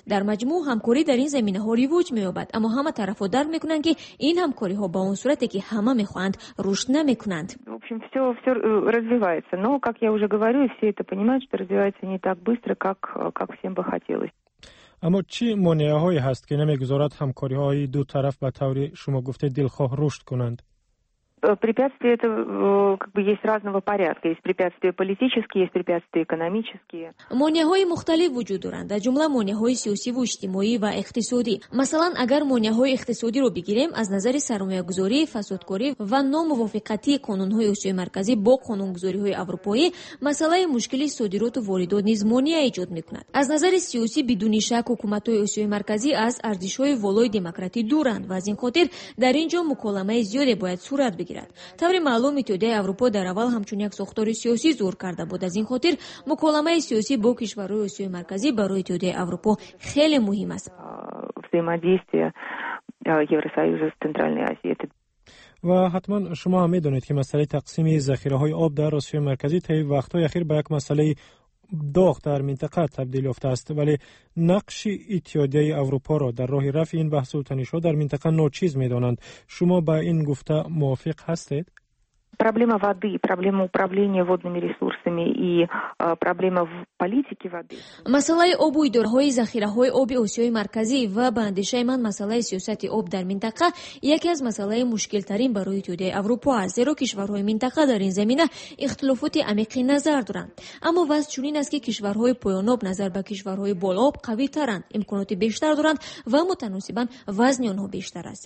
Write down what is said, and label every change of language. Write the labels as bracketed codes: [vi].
[fa] در مجموع همکاری در این زمینه ها رواج مییابد، اما همه طرفها درک میکنند که این همکاری ها به آن صورتی که همه میخواهند رشد نمیکنند. اما چی مانعه هایی هست که نمی گذارد همکاری های دو طرف به طور شما گفته دلخواه رشد کنند؟ [ru] препятствия это как бы есть разного порядка есть препятствия политические есть препятствия экономические [tg] монеҳои мухталиф вуҷуд доранд аз ҷумла монеҳои сиёсӣ ва иҷтимоӣ ва иқтисодӣ масалан агар монеҳои иқтисодиро бигирем аз назари сармоягузорӣ фасодкорӣ ва номувофиқатии қонунҳои осиёи марказӣ бо қонунгузориҳои аврупоӣ масъалаи мушкили содироту воридот низ монеа иҷод мекунад аз назари сиёсӣ бидуни шак ҳукуматҳои осиёи марказӣ аз арзишҳои волои демократӣ дуранд ва аз ин хотир дар ин ҷо муколамаи зиёде бояд сурат بگیرد. [fa] طور معلوم اتحادیه اروپا در اول همچون یک ساختار سیاسی زور کرده بود. از این خاطر مکالمه سیاسی با کشورهای آسیای مرکزی برای اتحادیه اروپا خیلی مهم است. و حتما شما هم میدونید که مسئله تقسیم ذخیره های آب در آسیای مرکزی طی وقت های اخیر به یک مسئله داغ در منطقه تبدیل یافته است، ولی نقش اتحادیه اروپا را در راه رفع این بحث و تنش‌ها در منطقه ناچیز می‌دانند. شما با این گفته موافق هستید؟ [ru] проблема воды, проблема управления водными ресурсами и проблема в политике воды. [tg] Масалаи обу идораҳои захираҳои оби Осиёи марказӣ ва ба андешаи ман масалаи сиёсати об дар минтақа яке аз масалаи мушкилтарин барои иттиҳодияи Аврупо аст, зеро кишварҳои минтақа дар ин замина ихтилофоти амиқи назар доранд. Аммо вас чунин аст ки кишварҳои поёноб назар ба кишварҳои болооб қавитаранд, имконоти бештар доранд ва мутаносибан вазни онҳо бештар аст.